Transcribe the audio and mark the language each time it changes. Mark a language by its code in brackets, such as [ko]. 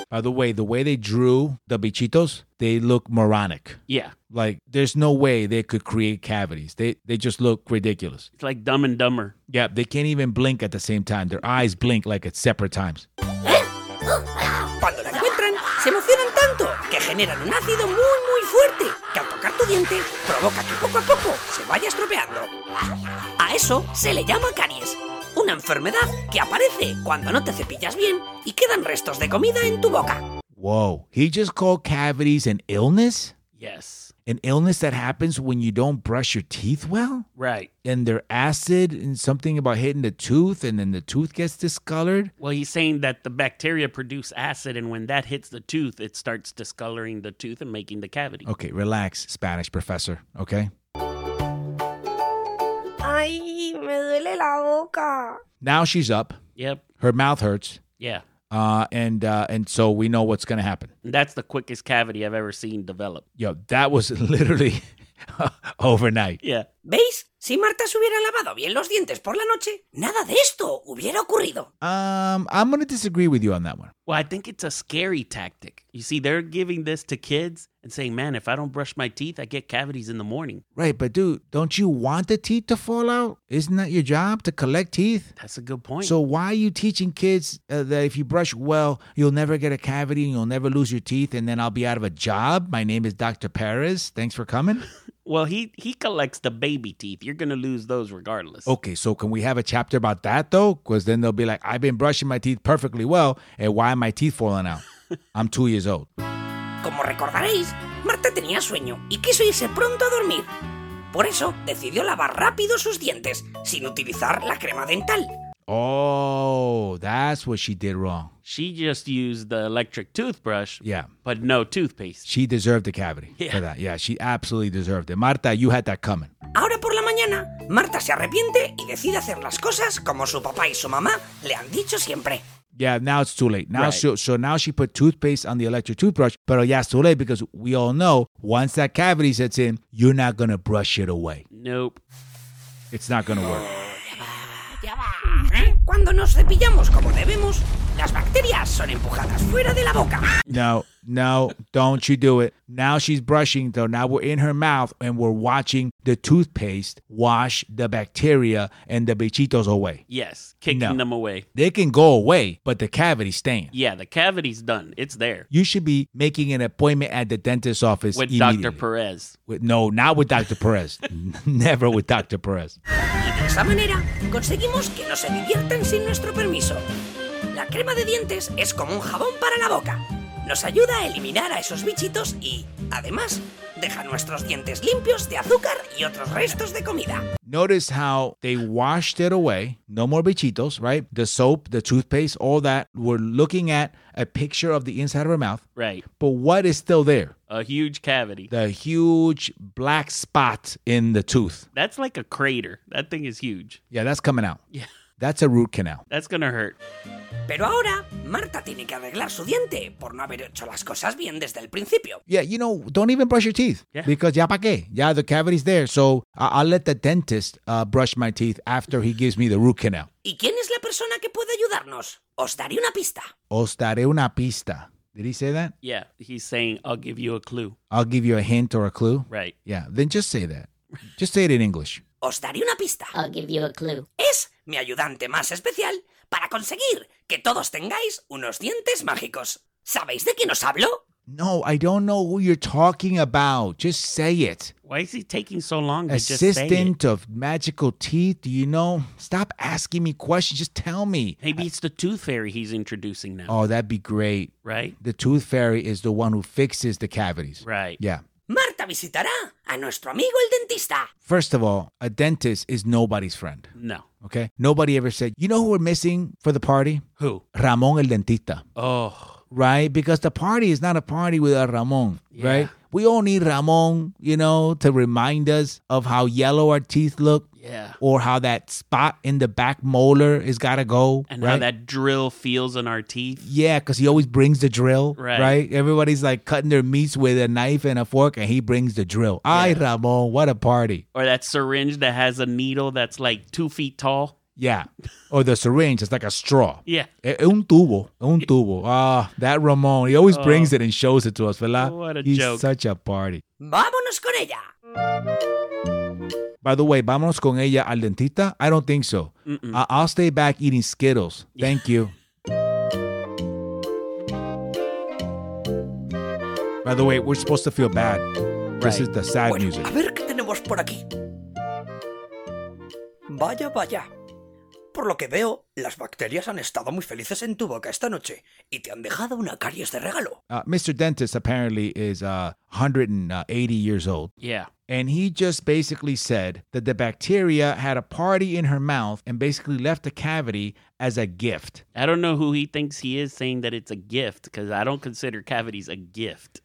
[en] By the way they drew the bichitos, they look moronic. Yeah. Like, there's no way they could create cavities. They just look ridiculous. It's like Dumb and Dumber. Yeah, they can't even blink at the same time. Their eyes blink like at separate times. [es] Cuando la encuentran, se emocionan tanto que generan un ácido muy, muy fuerte que al tocar tu diente provoca que poco a poco se vaya estropeando. A eso se le llama caries, una enfermedad que aparece cuando no te cepillas bien y quedan restos de comida en tu boca. [en] Whoa, he just called cavities an illness? Yes. An illness that happens when you don't brush your teeth well? Right. And they're acid and something about hitting the tooth and then the tooth gets discolored? Well, he's saying that the bacteria produce acid and when that hits the tooth, it starts discoloring the tooth and making the cavity. Okay, relax, Spanish professor, okay? [es] Ay, me duele la boca. [en] Now she's up. Yep. Her mouth hurts. Yeah. And so we know what's going to happen. That's the quickest cavity I've ever seen develop. Yo, that was literally overnight. Yeah. [es] ¿Veis? Si Marta se hubiera lavado bien los dientes por la noche, nada de esto hubiera ocurrido. [en] I'm going to disagree with you on that one. Well, I think it's a scary tactic. You see, they're giving this to kids and saying, man, if I don't brush my teeth, I get cavities in the morning. Right, but dude, don't you want the teeth to fall out? Isn't that your job, to collect teeth? That's a good point. So why are you teaching kids that if you brush well, you'll never get a cavity and you'll never lose your teeth and then I'll be out of a job? My name is Dr. Perez. Thanks for coming. Well, he collects the baby teeth. You're going to lose those regardless. Okay, so can we have a chapter about that, though? Because then they'll be like, I've been brushing my teeth perfectly well, and why are my teeth falling out? I'm 2 years old. [es] Como recordaréis, Marta tenía sueño y quiso irse pronto a dormir. Por eso decidió lavar rápido sus dientes sin utilizar la crema dental. [en] Oh, that's what she did wrong. She just used the electric toothbrush. Yeah. But no toothpaste. She deserved a cavity for that. Yeah, she absolutely deserved it. Marta, you had that coming. [es] Ahora por la mañana, Marta se arrepiente y decide hacer las cosas como su papá y su mamá le han dicho siempre. [en] Yeah, now it's too late. Now, right. So now she put toothpaste on the electric toothbrush, [es] pero ya es [en] too late because we all know once that cavity sets in, you're not going to brush it away. Nope. It's not going to work. Huh? [es] Cuando nos cepillamos como debemos, las bacterias son empujadas fuera de la boca. [en] No, no, don't you do it. Now she's brushing, though. Now we're in her mouth and we're watching the toothpaste wash the bacteria and the bichitos away. Yes, kicking them away. They can go away, but the cavity's staying. Yeah, the cavity's done. It's there. You should be making an appointment at the dentist's office with Dr. Perez. Not with Dr. Perez. Never with Dr. Perez. [es] De esa manera, conseguimos que no se diviertan sin nuestro permiso. La crema de dientes es como un jabón para la boca. Nos ayuda a eliminar a esos bichitos y, además, deja nuestros dientes limpios de azúcar y otros restos de comida. [en] Notice how they washed it away. No more bichitos, right? The soap, the toothpaste, all that. We're looking at a picture of the inside of her mouth. Right. But what is still there? A huge cavity. The huge black spot in the tooth. That's like a crater. That thing is huge. Yeah, that's coming out. Yeah. That's a root canal. That's gonna hurt. [es] Pero ahora, Marta tiene que arreglar su diente por no haber hecho las cosas bien desde el principio. [en] Yeah, you know, don't even brush your teeth. Yeah. Because [es] ya pa' qué? [en] Yeah, the cavity's there. So I'll let the dentist brush my teeth after he gives me the root canal. [es] ¿Y quién es la persona que puede ayudarnos? Os daré una pista. Os daré una pista. [en] Did he say that? Yeah, he's saying, I'll give you a clue. I'll give you a hint or a clue? Right. Yeah, then just say that. Just say it in English. [es] Os daré una pista. [en] I'll give you a clue. [es] Es mi ayudante más especial para conseguir que todos tengáis unos dientes mágicos. ¿Sabéis de quién os hablo? [en] No, I don't know who you're talking about. Just say it. Why is he taking so long to assistant just say it? Assistant of magical teeth, do you know? Stop asking me questions. Just tell me. Maybe it's the tooth fairy he's introducing now. Oh, that'd be great. Right? The tooth fairy is the one who fixes the cavities. Right. Yeah. [es] Marta visitará a nuestro amigo el dentista. [en] First of all, a dentist is nobody's friend. No. Okay? Nobody ever said, you know who we're missing for the party? Who? [es] Ramón el dentista. [en] Oh. Right? Because the party is not a party without Ramón. Yeah. Right? We all need Ramón, you know, to remind us of how yellow our teeth look. Yeah. Or how that spot in the back molar has got to go. And right? How that drill feels in our teeth. Yeah, because he always brings the drill. Right. Right. Everybody's like cutting their meats with a knife and a fork, and he brings the drill. Yeah. Ay, Ramón, what a party. Or that syringe that has a needle that's like 2 feet tall. Yeah. Or the syringe, it's like a straw. Yeah. [es] Un tubo. [en] That Ramón, he always brings it and shows it to us, [es] ¿verdad? [en] What a joke. He's such a party. [es] Vámonos con ella. [en] By the way, [es] vámonos con ella al dentista? [en] I don't think so. I'll stay back eating Skittles. Yeah. Thank you. By the way, we're supposed to feel bad. Right. This is the sad music. [es] A ver qué tenemos por aquí. Vaya, vaya. Por lo que veo, las bacterias han estado muy felices en tu boca esta noche y te han dejado una caries de regalo. [en] Mr. Dentist apparently is 180 years old. Yeah. And he just basically said that the bacteria had a party in her mouth and basically left the cavity as a gift. I don't know who he thinks he is saying that it's a gift, because I don't consider cavities a gift.